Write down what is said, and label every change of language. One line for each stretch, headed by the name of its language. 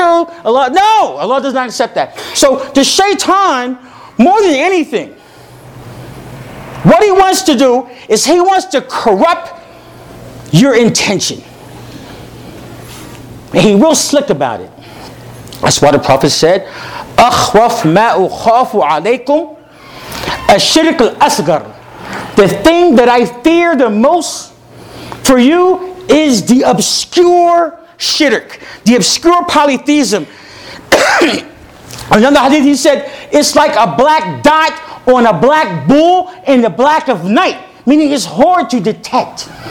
English: Allah, no, Allah does not accept that. So the shaitan, more than anything, what he wants to do is he wants to corrupt your intention. And he will slick about it. That's why the Prophet said,
Arabic: أَخْوَفْ مَا أُخَافُ عَلَيْكُمْ أَشْرِكُ الْأَصْغَرُ.
English: The thing that I fear the most for you is the obscure shirk, the obscure polytheism. Another hadith, he said, it's like a black dot on a black bull in the black of night, meaning it's hard to detect.